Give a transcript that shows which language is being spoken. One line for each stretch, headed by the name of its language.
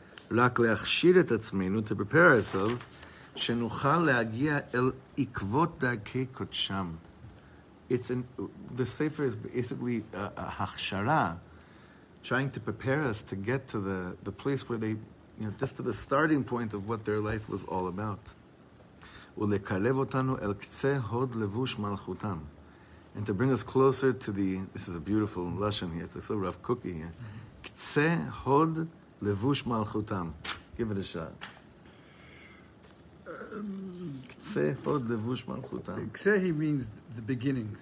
Hebrew: Rak leachshir et atzmenu,
English: to prepare ourselves,
Hebrew: shenuchal leagi el ikvot darkei kodesham.
English: The sefer is basically a hachshara, trying to prepare us to get to the place where they, you know, just to the starting point of what their life was all about.
Hebrew: ולקרב אותנו אל קצה הוד לבוש מלכותם.
English: And to bring us closer to the, this is a beautiful lesson here, it's so Rav Kooki here.
Hebrew: קצה הוד לבוש מלכותם.
English: Give it a shot.
Hebrew: קצה הוד לבוש מלכותם.
English: קצה, he means the beginning.